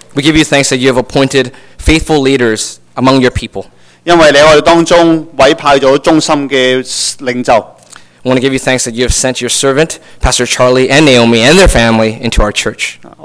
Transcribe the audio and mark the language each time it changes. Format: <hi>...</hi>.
<en>We give you thanks that you have appointed faithful leaders among your people.</en> <zh>因為你在我們當中委派了忠心的領袖。</zh> <en>I want to give you thanks that you have sent your servant, Pastor Charlie and Naomi and their family into our church.</en>